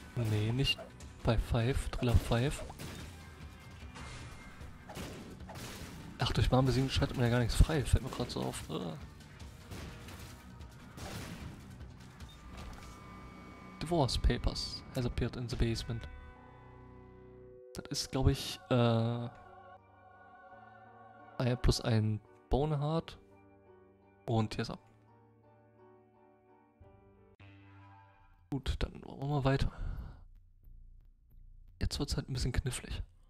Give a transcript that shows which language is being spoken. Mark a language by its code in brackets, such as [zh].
[de] Nee, nicht bei Five, Driller Five. Ach, durch Warnbesiegen schaltet man ja gar nichts frei, fällt mir gerade so auf. [en] Divorce Papers has appeared in the basement. [de] Das ist, glaube ich, Eier plus ein Boneheart. Und hier ist er. Gut, dann wollen wir mal weiter. Jetzt wird es halt ein bisschen knifflig.